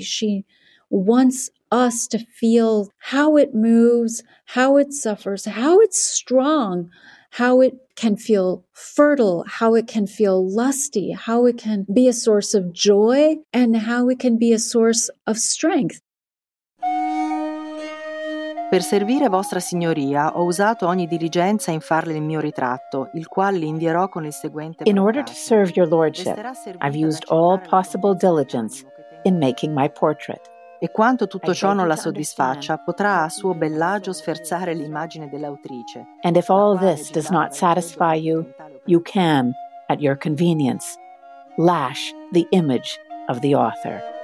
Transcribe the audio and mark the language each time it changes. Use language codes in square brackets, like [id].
[en] She wants us to feel how it moves, how it suffers, how it's strong, how it can feel fertile, how it can feel lusty, how it can be a source of joy, and how it can be a source of strength. [it] Per servire vostra signoria, ho usato ogni diligenza in farle il mio ritratto, il quale invierò con il seguente. [en] In order to serve your lordship, I've used all possible diligence in making my portrait. [it] E quanto tutto ciò non la soddisfaccia, potrà a suo bell'agio sferzare l'immagine dell'autrice. [en] And if all this does not satisfy you, you can, at your convenience, lash the image of the author.